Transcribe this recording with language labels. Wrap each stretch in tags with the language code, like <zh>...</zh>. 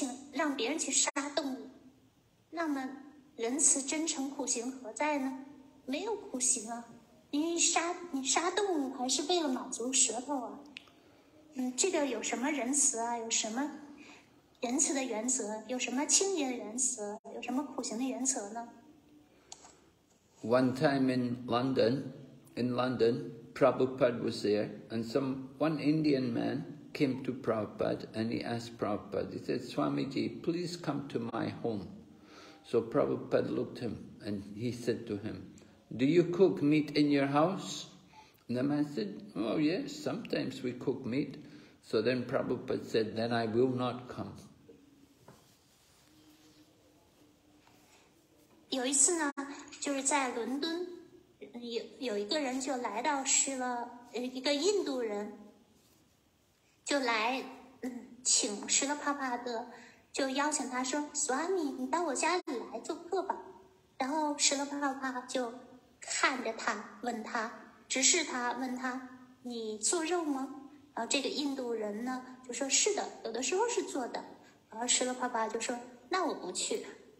<zh>让别人去杀动物，那么仁慈真诚苦行何在呢？没有苦行啊，您杀动物还是为了满足舌头啊，这个有什么仁慈啊？有什么仁慈的原则？有什么清洁的原则？有什么苦行的原则呢？</zh> <en>One time in London, Prabhupada was there, and one Indian man came to Prabhupada, and he asked Prabhupada, he said, Swamiji, please come to my home. So Prabhupada looked at him, and he said to him, do you cook meat in your house? And the man said, oh yes, sometimes we cook meat. So then Prabhupada said, then I will not come.</en> <zh>有一次呢，就是在伦敦，有一个人就来到一个印度人，就来请石勒帕帕德，就邀请他说 ：“Swami， 你到我家里来做客吧。”然后石勒帕帕就看着他，问他，直视他，问他：“你做肉吗？”然后这个印度人呢，就说：“是的，有的时候是做的。”然后石勒帕帕就说：“那我不去。”</zh>